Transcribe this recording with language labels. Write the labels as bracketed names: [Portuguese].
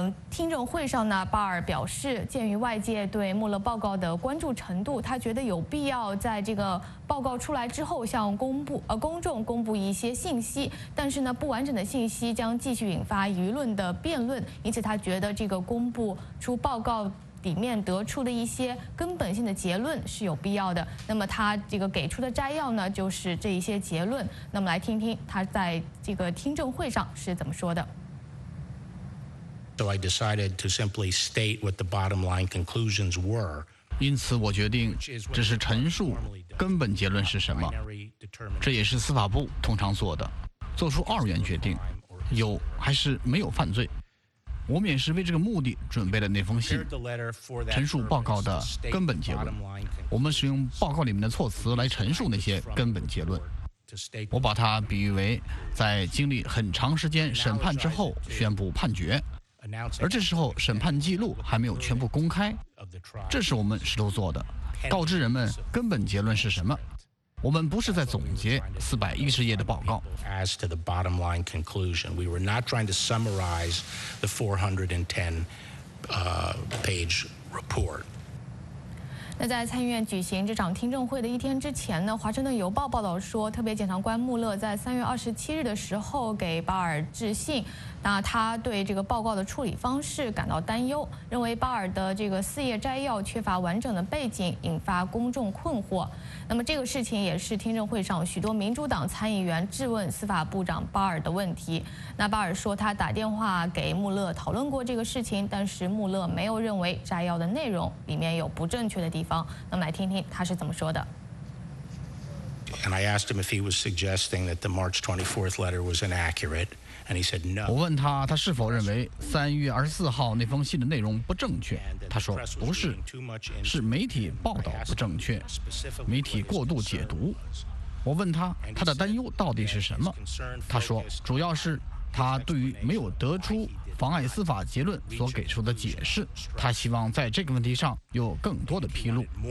[Chinese] 听证会上呢，巴尔表示，鉴于外界对穆勒报告的关注程度，他觉得有必要在这个报告出来之后向公众公布一些信息，但是呢，不完整的信息将继续引发舆论的辩论，因此他觉得这个公布出报告里面得出的一些根本性的结论是有必要的。那么他这个给出的摘要呢，就是这一些结论。那么来听听他在这个听证会上是怎么说的。 [English] So I decided to simply state what the bottom line conclusions were. [Chinese] 因此我决定只是陈述根本结论是什么，这也是司法部通常做的，做出二元决定，有还是没有犯罪。我们也是为这个目的准备了那封信，陈述报告的根本结论。我们使用报告里面的措辞来陈述那些根本结论。我把它比喻为在经历很长时间审判之后宣布判决，而这时候审判记录还没有全部公开，这是我们试图做的，告知人们根本结论是什么。我们不是在总结410页的报告。 [English] As to the bottom line conclusion, we were not trying to summarize the 410-page report. [Chinese] 那在参议院举行这场听证会的一天之前呢，华盛顿邮报报道说，特别检察官穆勒在3月27日的时候给巴尔致信，那他对这个报告的处理方式感到担忧，认为巴尔的这个4页摘要缺乏完整的背景，引发公众困惑。那么这个事情也是听证会上许多民主党参议员质问司法部长巴尔的问题。那巴尔说他打电话给穆勒讨论过这个事情，但是穆勒没有认为摘要的内容里面有不正确的地方。那么来听听他是怎么说的。 [English] And I asked him if he was suggesting that the March 24th letter was inaccurate, and he said no. [Chinese] 我问他他是否认为3月24号那封信的内容不正确，他说不是，是媒体报道不正确，媒体过度解读。我问他他的担忧到底是什么，他说主要是他对于没有得出妨碍司法结论所给出的解释，他希望在这个问题上有更多的披露。